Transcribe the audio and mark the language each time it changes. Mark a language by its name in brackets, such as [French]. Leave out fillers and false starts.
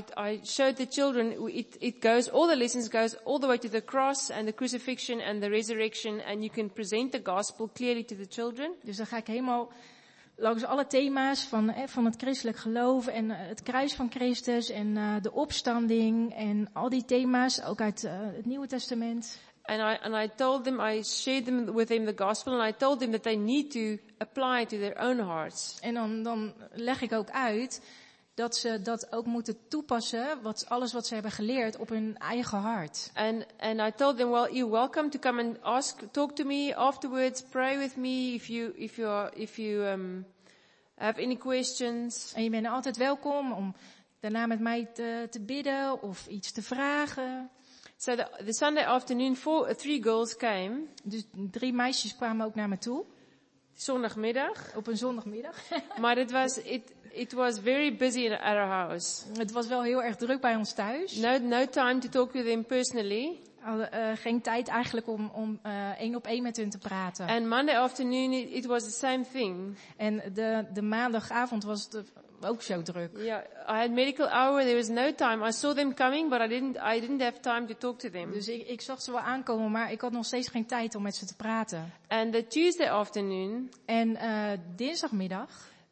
[English] I showed the children, it goes, all the lessons goes all the way to the cross and the crucifixion and the resurrection and you can present the gospel clearly to the children. [Dutch] Dus dan ga ik helemaal langs alle thema's van het christelijk geloof en het kruis van Christus en de opstanding en al die thema's ook uit het Nieuwe Testament. [English] And I told them, I shared them with them the gospel and I told them that they need to apply it to their own hearts. [Dutch] En dan leg ik ook uit dat ze dat ook moeten toepassen, alles wat ze hebben geleerd op hun eigen hart. [English] And I told them, well, you're welcome to come and ask, talk to me afterwards, pray with me if you have any questions. [Dutch] En je bent altijd welkom om daarna met mij te bidden of iets te vragen. [English] So the Sunday afternoon, three girls came. [Dutch] Dus drie meisjes kwamen ook naar me toe. Zondagmiddag. Op een zondagmiddag. Maar het was [English] It was very busy at our house. [Dutch] Het was wel heel erg druk bij ons thuis. [English] No time to talk with them personally. [Dutch] Geen tijd eigenlijk om één op één met hun te praten. [English] And Monday afternoon it was the same thing. [Dutch] En de maandagavond was het ook zo druk. [English] Yeah, I had medical hour. There was no time. I saw them coming, but I didn't have time to talk to them. [Dutch] Dus ik zag ze wel aankomen, maar ik had nog steeds geen tijd om met ze te praten. [English] And the Tuesday afternoon. [Dutch] En dinsdagmiddag.